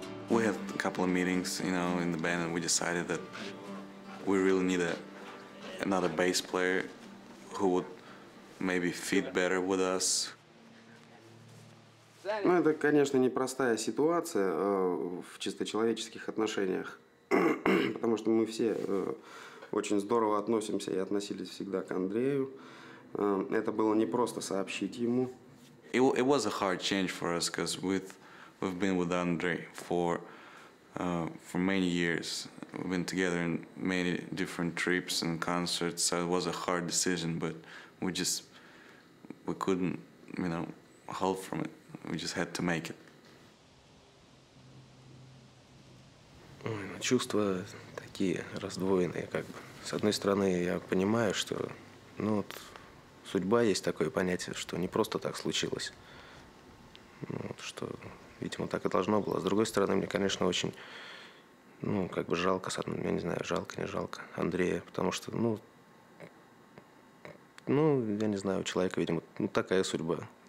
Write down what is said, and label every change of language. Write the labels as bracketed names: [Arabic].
[English] We had a couple of meetings, you know, in the band, and we decided that we really need another bass player who would maybe fit better with us. [Russian] Ну, это, конечно, непростая ситуация в чисто человеческих отношениях, потому что мы все очень здорово относимся и относились всегда к Андрею. Это было не просто сообщить ему. [English] It was a hard change for us, because we've been with Andrei for many years. We've been together in many different trips and concerts, so it was a hard decision, but we couldn't, you know, hold from it. We just had to make it. [Russian] Ой, ну, чувства такие раздвоенные, как бы. С одной стороны, я понимаю, что, ну, вот, судьба есть такое понятие, что не просто так случилось. Ну, вот, что, видимо, так и должно было. С другой стороны, мне, конечно, очень, ну, как бы жалко, с одной, я не знаю, жалко, не жалко Андрея, потому что, ну, я не знаю, у человека, видимо, ну, такая судьба.